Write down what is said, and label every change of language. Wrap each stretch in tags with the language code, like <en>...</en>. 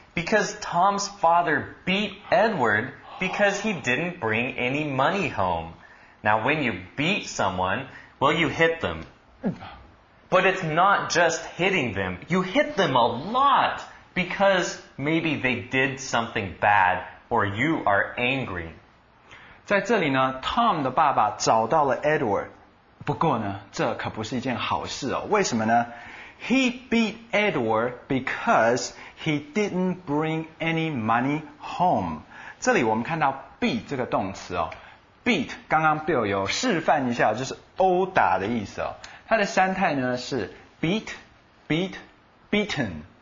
<en>Because Tom's father beat Edward because he didn't bring any money home. Now, when you beat someone, well, you hit them. But it's not just hitting them. You hit them a lot because maybe they did something bad or you are angry.</en> <zh>在这里呢 Tom 的爸爸找到了 Edward. 不过呢这可不是一件好事哦。为什么呢</zh> <en>He beat Edward because he didn't bring any money home.</en> <zh>这里我们看到 beat 这个动词哦。Beat, 刚刚 Bill 有示范一下就是殴打的意思哦。它的三态呢是 beat, beat, beaten.</zh>